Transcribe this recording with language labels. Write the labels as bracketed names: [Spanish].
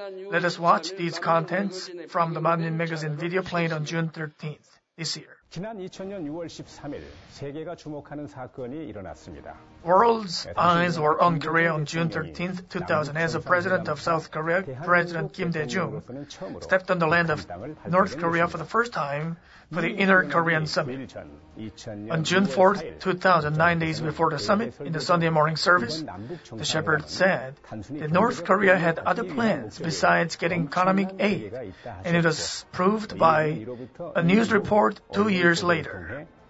[English] Let us watch these contents from the Manmin Magazine video played on June 13th this year. [Korean] 지난 2000년 6월 13일, 세계가 주목하는 사건이 일어났습니다. [English] World's eyes were on Korea on June 13, 2000, as the president of South Korea, President Kim Dae-jung, stepped on the land of North Korea for the first time for the Inner Korean Summit. On June 4, 2000, 9 days before the summit, in the Sunday morning service, the shepherd said that North Korea had other plans besides getting economic aid, and it was proved by a news report 2 years later.